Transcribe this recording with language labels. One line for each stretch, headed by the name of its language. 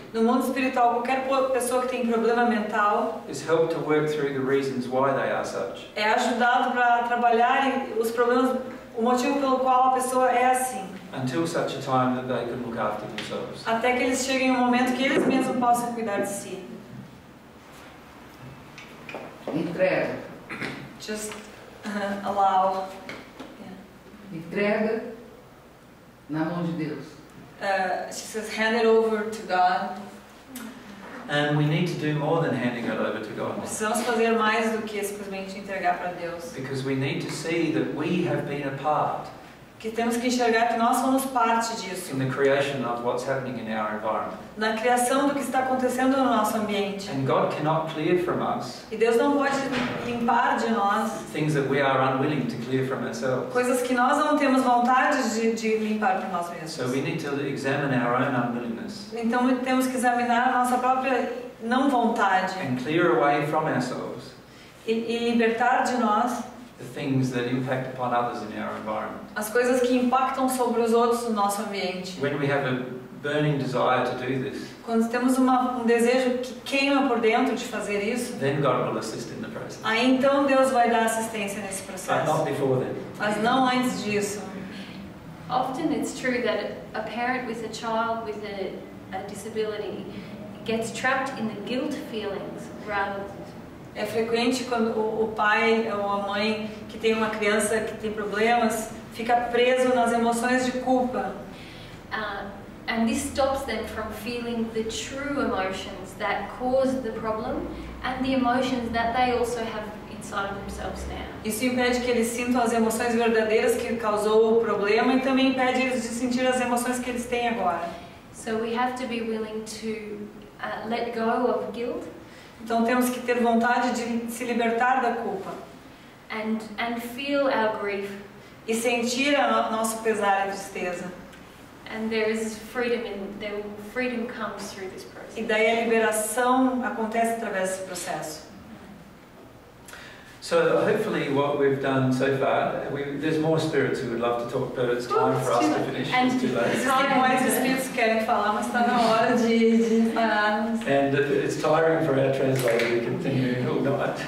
Portuguese: no mundo espiritual, qualquer pessoa que tem problema mental,
English: is helped to work through the reasons why they are such.
Portuguese: É ajudado para trabalhar os problemas, o motivo pelo qual a pessoa é assim.
English: Until such a time that they can look after themselves.
Portuguese: Até que eles cheguem um momento que eles mesmos possam cuidar de si. Entrega.
English: Just allow.
Portuguese: Yeah. Entrega na mão de Deus.
English: She says, hand it over to God. And we need to do more than handing it over to God.
Portuguese: Precisamos fazer mais do que simplesmente entregar para Deus.
English: Because we need to see that we have been a part.
Portuguese: Que temos que enxergar que nós somos parte disso.
English: In the creation of what's happening in our environment.
Portuguese: Na criação do que está acontecendo no nosso ambiente.
English: And God cannot clear from us.
Portuguese: E Deus não pode limpar de nós.
English: Things that we are unwilling to clear from ourselves.
Portuguese: Coisas que nós não temos vontade de limpar por nós mesmos.
English: So we need to examine our own unwillingness.
Portuguese: Então temos que examinar a nossa própria não vontade.
English: And clear away from ourselves.
Portuguese: E libertar de nós.
English: The things that impact upon others in our environment.
Portuguese: As coisas que impactam sobre os outros no nosso ambiente.
English: When we have a burning desire to do this.
Portuguese: Quando temos um desejo que queima por dentro de fazer isso.
English: Then God will assist in the process.
Portuguese: Aí então Deus vai dar assistência nesse processo.
English: But not before then.
Portuguese: Mas não antes disso.
English: Often it's true that a parent with a child with a disability gets trapped in the guilt feelings rather than.
Portuguese: É frequente quando o pai ou a mãe que tem uma criança que tem problemas fica preso nas emoções de culpa.
English: And this stops them from feeling the true emotions that cause the problem and the emotions that they also have in inside themselves now.
Portuguese: Isso impede que eles sintam as emoções verdadeiras que causou o problema e também impede eles de sentir as emoções que eles têm agora.
English: So we have to be willing to let go of guilt.
Portuguese: Então temos que ter vontade de se libertar da culpa.
English: And feel our grief.
Portuguese: E sentir o nosso pesar e tristeza.
English: And there is freedom in there. Freedom comes through this process.
Portuguese: E daí a liberação acontece através desse processo.
English: So hopefully what we've done so far, there's more spirits who would love to talk, but it's time for us to finish. It's too late.
Portuguese: Mais espíritos querem falar, mas está na hora de pararmos.
English: And it's tiring for our translator to continue all night.